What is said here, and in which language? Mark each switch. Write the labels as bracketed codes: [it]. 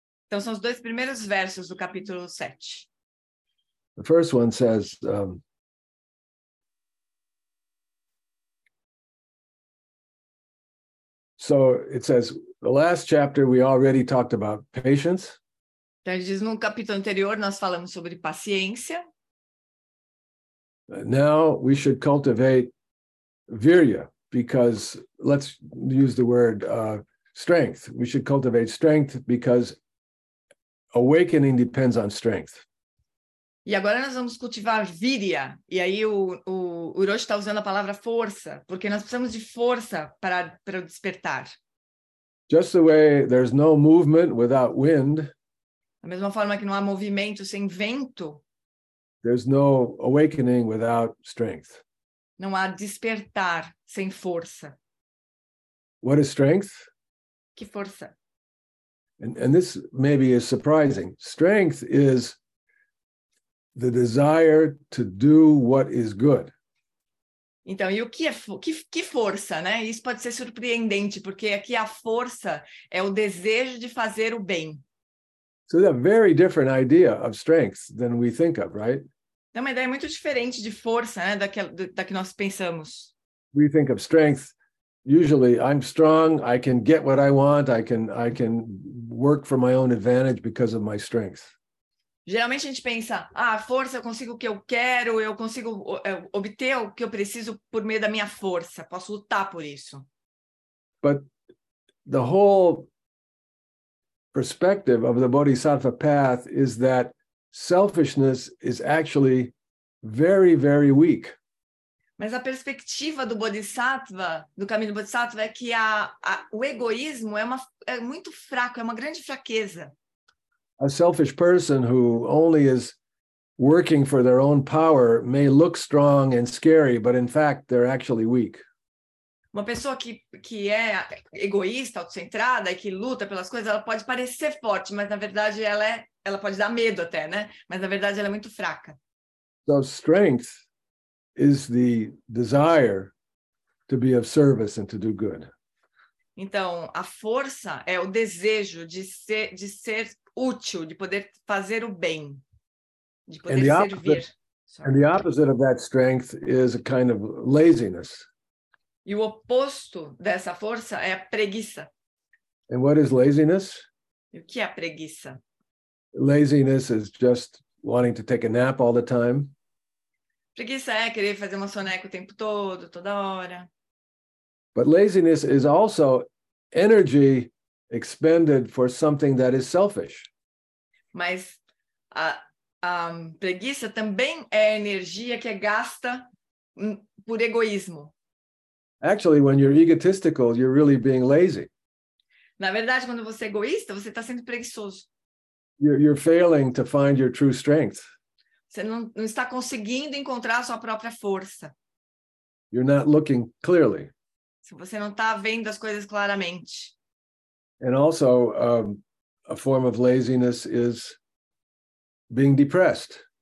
[pt] Então são os dois primeiros versos do capítulo 7. [en] The first one says, so it says, the last chapter we already talked about patience. [pt] Então ele diz, no capítulo anterior nós falamos sobre paciência. [en] Now we should cultivate virya, because let's use the word strength. We should cultivate strength because awakening depends on strength. [pt] E agora nós vamos cultivar virya. E aí o Hiroshi está usando a palavra força, porque nós precisamos de força para despertar. [en] Just the way there's no movement without wind. [pt] Da mesma forma que não há movimento sem vento. [en] There's no awakening without strength. [pt] Não há despertar sem força. [en] What is strength? [pt] Que força? [en] And this maybe is surprising. Strength is the desire to do what is good. [pt] Então, e o que é que força, né? Isso pode ser surpreendente, porque aqui a força é o desejo de fazer o bem. [en] So a very different idea of strength than we think of, right? [pt] É uma ideia muito diferente de força, né, da que nós pensamos. [en] We think of strength. Usually, I'm strong, I can get what I want, I can work for my own advantage because of my strength. [pt] Geralmente a gente pensa, força, eu consigo o que eu quero, eu consigo obter o que eu preciso por meio da minha força, posso lutar por isso. [en] But the whole perspective of the Bodhisattva path is that selfishness is actually very, very weak. [pt] Mas a perspectiva do Bodhisattva, do caminho do Bodhisattva, é que o egoísmo é muito fraco, é uma grande fraqueza. [en] A selfish person who only is working for their own power may look strong and scary, but in fact, they're actually weak. [pt] Uma pessoa que é egoísta, autocentrada e que luta pelas coisas, ela pode parecer forte, mas na verdade ela pode dar medo até, né? Mas na verdade ela é muito fraca. [en] So strength is the desire to be of service and to do good. [pt] Então, a força é o desejo de ser útil, de poder fazer o bem, de poder [en] and the [pt] servir. [en] Opposite, and the opposite of that strength is a kind of laziness. [pt] E o oposto dessa força é a preguiça. [en] And what is laziness? [pt] E o que é preguiça? [en] Laziness is just wanting to take a nap all the time. [pt] Preguiça é querer fazer uma soneca o tempo todo, toda hora. [en] But laziness is also energy expended for something that is selfish. [pt] Mas a preguiça também é energia que é gasta por egoísmo. [en] Actually, when you're egotistical, you're really being lazy. [pt] Na verdade, quando você é egoísta, você está sendo preguiçoso. [en] You're failing to find your true strength. [pt] Você não está conseguindo encontrar a sua própria força. [en] You're not looking clearly. [pt] Você não está vendo as coisas claramente. [en] And also, a form of laziness is being depressed.